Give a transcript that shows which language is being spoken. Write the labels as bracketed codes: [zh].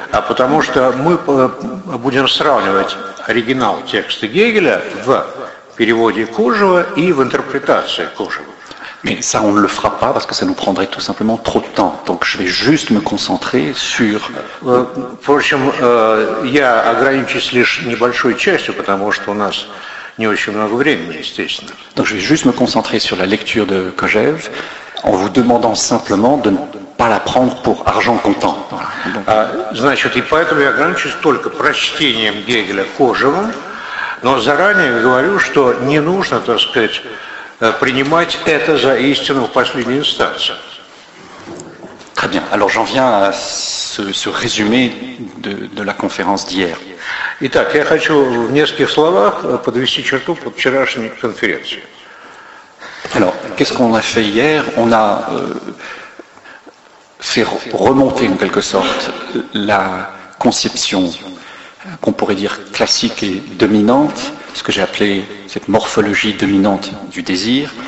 [ru] А потому что мы будем сравнивать оригинал текста Гегеля в переводе Кожева и в интерпретации Кожева. [fr] Mais ça on ne le fera pas parce que ça nous prendrait tout simplement trop de temps. Donc je vais juste me concentrer sur... [ru] Впрочем, я ограничусь лишь небольшой частью, потому что у нас не очень много времени, естественно. [fr] Donc je vais juste me concentrer sur la lecture de Kojève en vous demandant simplement de ne pas la prendre pour argent comptant. Voilà. [ru] Значит, и поэтому я ограничусь только прочтением Гегеля Кожевым, но заранее говорю, что не нужно, так сказать, принимать это за истину в последней инстанции. [fr] Très bien. Alors j'en viens à ce résumé de la conférence d'hier. [ru] Итак, я хочу в нескольких словах подвести черту под вчерашней конференцией. [fr] Alors, qu'est-ce qu'on a fait hier? On a fait remonter en quelque sorte la conception qu'on pourrait dire classique et dominante, ce que j'ai appelé cette morphologie dominante du désir.